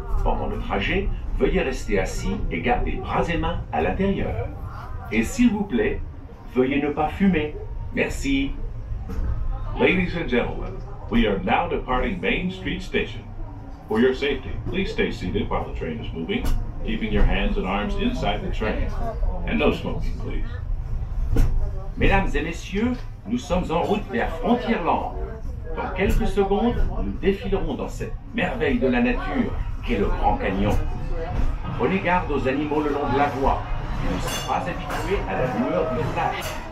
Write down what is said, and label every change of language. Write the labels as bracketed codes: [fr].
[fr] Pendant le trajet, veuillez rester assis et garder bras et mains à l'intérieur. Et s'il vous plaît, veuillez ne pas fumer. Merci. [en] Ladies and gentlemen, we are now departing Main Street Station. For your safety, please stay seated while the train is moving, keeping your hands and arms inside the train. And no smoking, please. [fr] Mesdames et messieurs, nous sommes en route vers Frontierland. Dans quelques secondes, nous défilerons dans cette merveille de la nature qu'est le Grand Canyon. Prenez garde aux animaux le long de la voie, qui ne sont pas habitués à la lueur du flash.